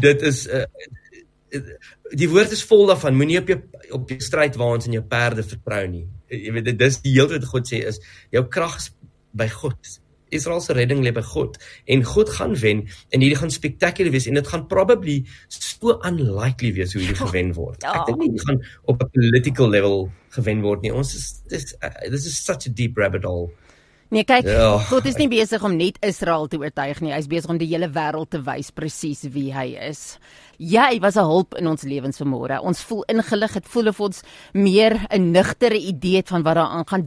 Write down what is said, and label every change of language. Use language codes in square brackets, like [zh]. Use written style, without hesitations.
[af] Dit is, die woord is vol daarvan, moet nie op jou strijdwaans en jou perde vertrou nie. Jy weet, dit is die heel wat God sê is, jou krag is by God. Israel se redding lê by God. En God gaan wen, en hierdie gaan spectacular wees, en dit gaan probably so unlikely wees hoe hierdie gewen word. Ja. Ek dink nie, gaan op [en] a political level [af] gewen word nie. Ons is, [en] this is such a deep rabbit hole. [af] Nee, kyk, God is nie besig om net Israel te oortuig nie, hy is besig om die hele wêreld te wys presies wie hy is. Jy was 'n hulp in ons lewens vanmôre. Ons voel ingelig, het voel of ons meer 'n nugtere idee van wat daar aangaan.